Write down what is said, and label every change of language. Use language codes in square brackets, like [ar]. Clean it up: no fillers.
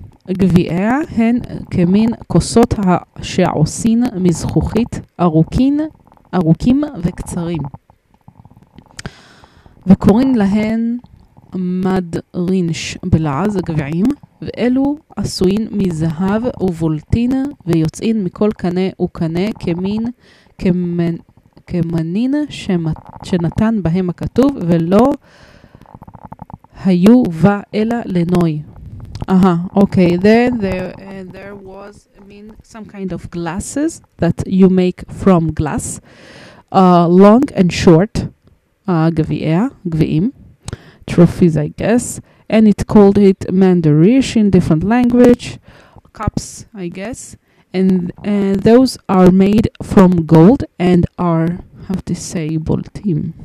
[he] גביעיה הן כמין כוסות שעושים מזכוכית ארוכים וקצרים וקוראים להן מדרינש בלעז גביעים ואלו עשויים מזהב ובולטין ויוצאים מכל קנה וקנה כמין כמנין שנתן בהם הכתוב, ולא היו בה אלא לנוי. [en] Okay, then there was, I mean, some kind of glasses that you make from glass, long and short, gvi'im, trophies, I guess, and it called it mandarish in different language, cups, I guess, and those are made from gold and are, how to say, boltim.